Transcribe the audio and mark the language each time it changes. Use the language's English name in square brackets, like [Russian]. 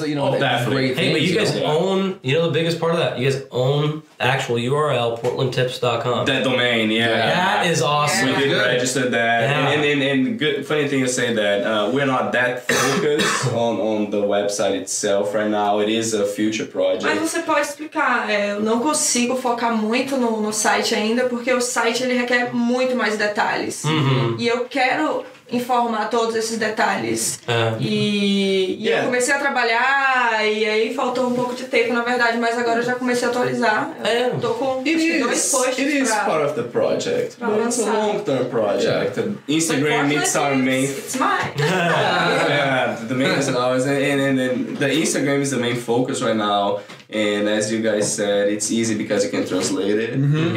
[English] You know the biggest part of that, you guys own actual URL, portlandtips.com, that domain. That is awesome. We did register that. And good funny thing to say that we're not that focused on the website itself right now. It is a future project. [Portuguese] Mas você pode explicar, eu não consigo focar muito no site ainda, porque o site ele requer muito mais detalhes. E eu quero informar todos esses detalhes. Eu comecei a trabalhar e aí faltou um pouco de tempo, na verdade, mas agora eu já comecei a atualizar. Tô com dois posts para lançar. [English] It is part of the project, but it's a long-term project. Yeah. Instagram meets our main... It's mine! The main is ours, and the Instagram is the main focus right now. And as you guys said, it's easy because you can translate it. Mm-hmm.